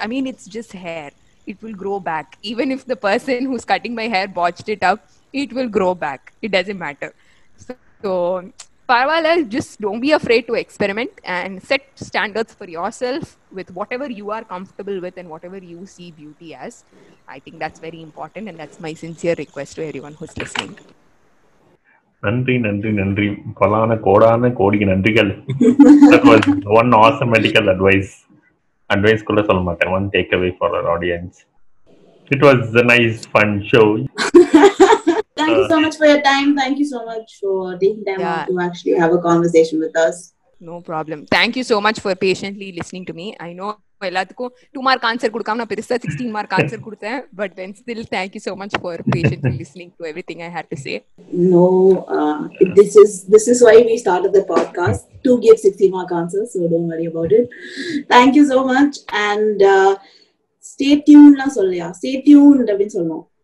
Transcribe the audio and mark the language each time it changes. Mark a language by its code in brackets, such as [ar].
[en] I mean, it's just hair, it will grow back. Even if the person who's cutting my hair botched it up, it will grow back, it doesn't matter. So [ta] parwala, [en] just don't be afraid to experiment and set standards for yourself with whatever you are comfortable with and whatever you see beauty as. I think that's very important and that's my sincere request to everyone who's listening. [ta] நன்றி நன்றி நன்றி, பலான கோடான கோடிக்கு நன்றிகள். [en] That was one awesome medical advice [ta] கூட சொல்ல மாட்டேன், [en] one take away for our audience. It was a nice fun show. Thank you so much for your time. Thank you so much for taking time to actually have a conversation with us. No problem. Thank you so much for patiently listening to me. I know [ta] எல்லாத்துக்கும் [en] 2 mark answer [ta] கொடுக்காம நான் பெருசா [en] 16 mark answer [ta] கொடுத்தேன், [en] but then still thank you so much for patiently listening to everything I had to say. No, this is why we started the podcast, to give 16 mark answers, so don't worry about it. Thank you so much and stay tuned. [ta] நான் சொல்லையா, [en] stay tuned [ta] அப்படி சொல்லணும்.